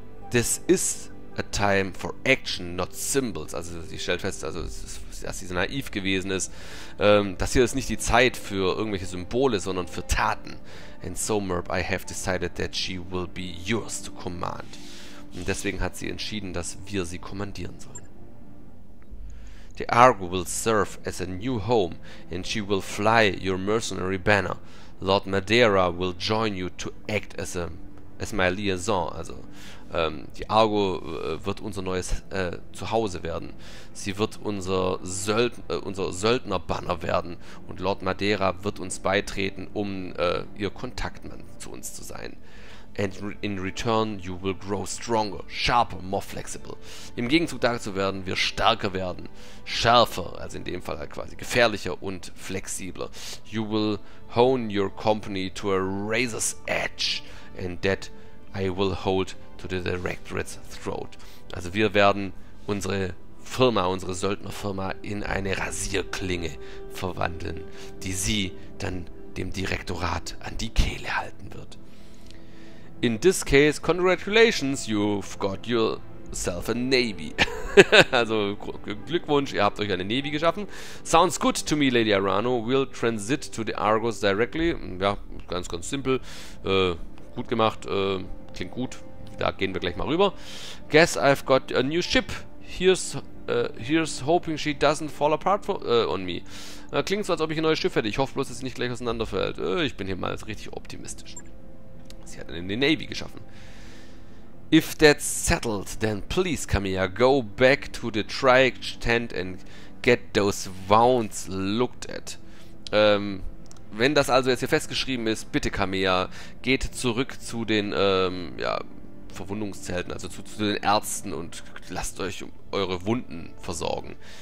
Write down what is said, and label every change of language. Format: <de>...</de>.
<en>This is a time for action, not symbols.</en> <de>Also sie stellt fest, also dass sie so naiv gewesen ist. Das hier ist nicht die Zeit für irgendwelche Symbole, sondern für Taten.</de> <en>And so, Merp, I have decided that she will be yours to command.</en> <de>Und deswegen hat sie entschieden, dass wir sie kommandieren sollen.</de> <en>The Argo will serve as a new home and she will fly your mercenary banner. Lord Madeira will join you to act as a as my liaison.</en> <de>Also, die Argo wird unser neues Zuhause werden. Sie wird unser Söldnerbanner werden und Lord Madeira wird uns beitreten, um ihr Kontaktmann zu uns zu sein.</de> <en>And in return you will grow stronger, sharper, more flexible.</en> <de>Im Gegenzug dazu werden wir stärker werden, schärfer, also in dem Fall halt quasi gefährlicher und flexibler.</de> <en>You will hone your company to a razor's edge and that I will hold to the Directorate's throat.</en> <de>Also wir werden unsere Firma, unsere Söldnerfirma in eine Rasierklinge verwandeln, die sie dann dem Direktorat an die Kehle halten wird.</de> <en>In this case, congratulations, you've got yourself a Navy.</en> <de>Also Glückwunsch, ihr habt euch eine Navy geschaffen.</de> <en>Sounds good to me, Lady Arano. We'll transit to the Argos directly.</en> <de>Ja, ganz, ganz simpel. Gut gemacht, klingt gut. Da gehen wir gleich mal rüber.</de> <en>Guess I've got a new ship. Here's hoping she doesn't fall apart on me.</en> <de>Klingt so, als ob ich ein neues Schiff hätte. Ich hoffe bloß, dass sie nicht gleich auseinanderfällt. Ich bin hier mal richtig optimistisch. Sie hat eine Navy geschaffen.</de> <en>If that's settled, then please, Camilla, go back to the trike tent and get those wounds looked at.</en> <de>Wenn das also jetzt hier festgeschrieben ist, bitte, Camilla, geht zurück zu den Verwundungszelten, also zu den Ärzten und lasst euch eure Wunden versorgen.</de>